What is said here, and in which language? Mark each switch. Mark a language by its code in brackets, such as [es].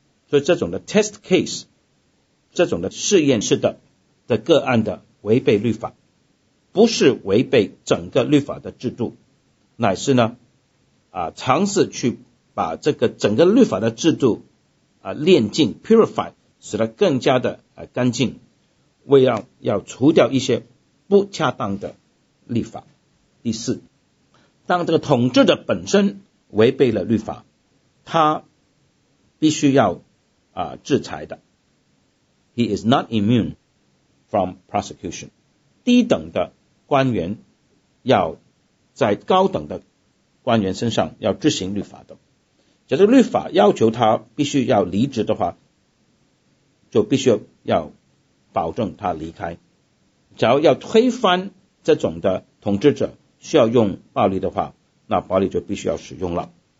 [zh] 所以这种的 test case， 这种的试验式的个案的违背律法，不是违背整个律法的制度，乃是呢尝试去把这个整个律法的制度炼净 purify， 使得更加的干净，为要除掉一些不恰当的立法。第四，当这个统治者本身违背了律法，他必须要制裁的。 [en] He is not immune from prosecution。 [zh] 低等的官员要在高等的官员身上要执行律法的。假如律法要求他必须要离职的话，就必须要保证他离开。假如要推翻这种的统治者需要用暴力的话，那暴力就必须要使用了。